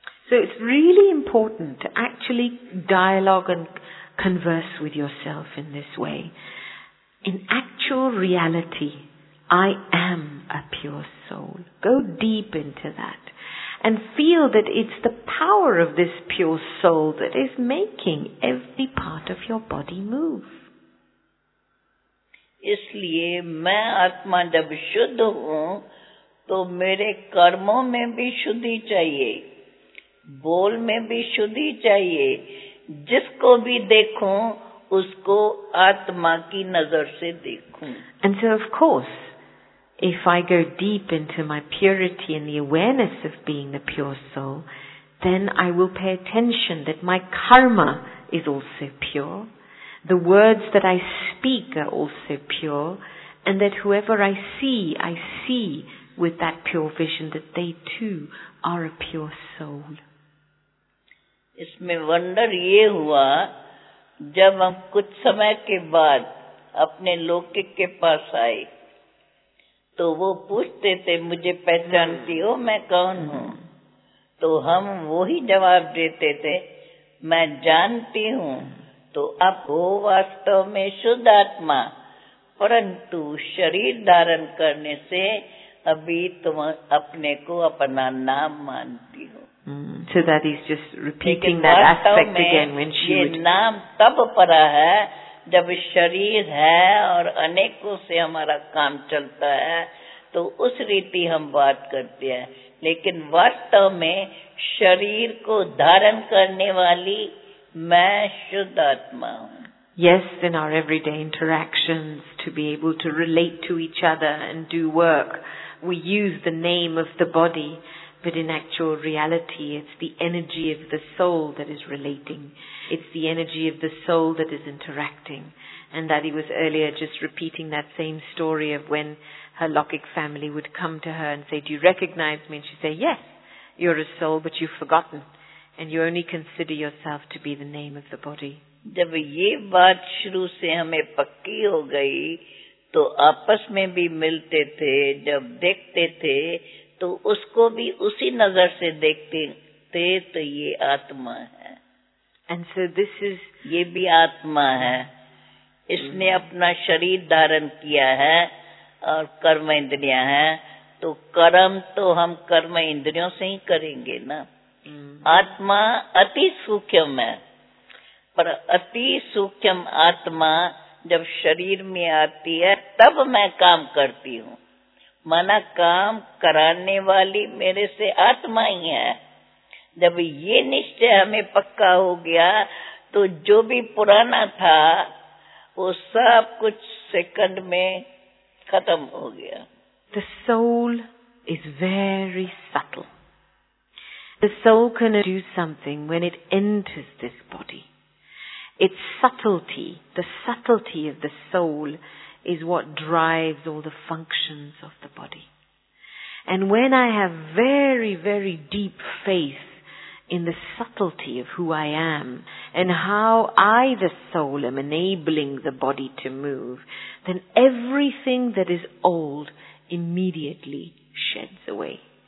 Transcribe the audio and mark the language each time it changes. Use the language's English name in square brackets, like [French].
[English] So it's really important to actually dialogue and converse with yourself in this way. In actual reality, I am a pure soul. Go deep into that and feel that it's the power of this pure soul that is making every part of your body move. [Hindi] इसलिए मैं आत्मा जब शुद्ध हूँ, तो मेरे कर्मों में भी शुद्धि चाहिए, बोल में भी शुद्धि चाहिए, जिसको भी देखूँ. उसको आत्मा की नजर से देखूं. [English] And so of course, if I go deep into my purity and the awareness of being the pure soul, then I will pay attention that my karma is also pure, the words that I speak are also pure, and that whoever I see with that pure vision that they too are a pure soul. [Hindi] इसमें wonder ये हुआ, जब हम कुछ समय के बाद अपने लौकिक के पास आए तो वो पूछते थे मुझे पहचानती हो मैं कौन हूँ, तो हम वही जवाब देते थे मैं जानती हूँ. तो आप हो वास्तव में शुद्ध आत्मा, परंतु शरीर धारण करने से अभी तुम अपने को अपना नाम मानती हो. [English] So that is just repeating that aspect again when she would. [Hindi] ये नाम तब पड़ा है जब शरीर है और अनेकों से हमारा काम चलता है तो उस रीति हम बात करते हैं. लेकिन वास्तव में शरीर को धारण करने वाली मैं शुद्ध आत्मा हूँ. [English] Yes, in our everyday interactions, to be able to relate to each other and do work, we use the name of the body, but in actual reality, it's the energy of the soul that is relating. It's the energy of the soul that is interacting. And Dadi was earlier just repeating that same story of when her Lokic family would come to her and say, "Do you recognize me?" And she'd say, "Yes, you're a soul, but you've forgotten. And you only consider yourself to be the name of the body." [Hindi] जब ये बात शुरू से हमें पक्की हो गई तो आपस में भी मिलते थे, जब देखते थे तो उसको भी उसी नजर से देखते थे, तो ये आत्मा है. [English] And so this is... [Hindi] ये भी आत्मा है, इसने अपना शरीर धारण किया है और कर्म इंद्रियां है, तो कर्म तो हम कर्म इंद्रियों से ही करेंगे ना. आत्मा अति सूक्ष्म है, पर अति सूक्ष्म आत्मा जब शरीर में आती है तब मैं काम करती हूँ. माना काम कराने वाली मेरे से आत्मा ही है. जब ये निश्चय हमें पक्का हो गया तो जो भी पुराना था वो सब कुछ सेकंड में खत्म हो गया. [English] The soul is very subtle. The soul can do something when it enters this body. Its subtlety, the subtlety of the soul, is what drives all the functions of the body. And when I have very, very deep faith in the subtlety of who I am and how I, the soul, am enabling the body to move, then everything that is old immediately sheds away.